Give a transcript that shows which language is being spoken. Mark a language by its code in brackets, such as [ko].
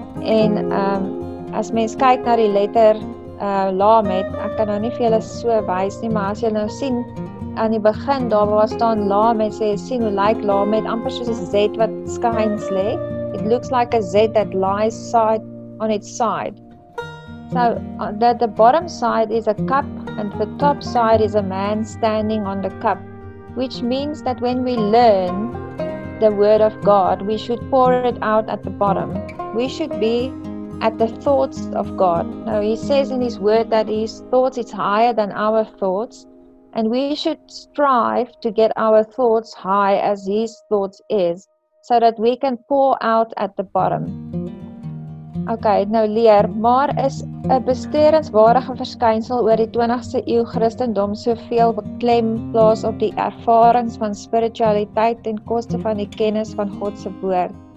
[af] En as mens kyk na die letter lamed, ek kan nou nie vir julle so wys nie, maar as julle nou sien aan die begin daar waar staan lamed, sê jy sien hoe lyk lamed, amper soos 'n Z wat skuins lê. [en] It looks like a Z that lies side on its side. So that the bottom side is a cup and the top side is a man standing on the cup. Which means that when we learn the Word of God, we should pour it out at the bottom. We should be at the thoughts of God. Now, he says in his Word that his thoughts is higher than our thoughts, and we should strive to get our thoughts high as his thoughts is, so that we can pour out at the bottom. [af] Okay, nou leer, maar is 'n besterenswaardige verskynsel oor die 20ste eeu Christendom soveel beklem plaas op die ervarings van spiritualiteit ten koste van die kennis van God se woord.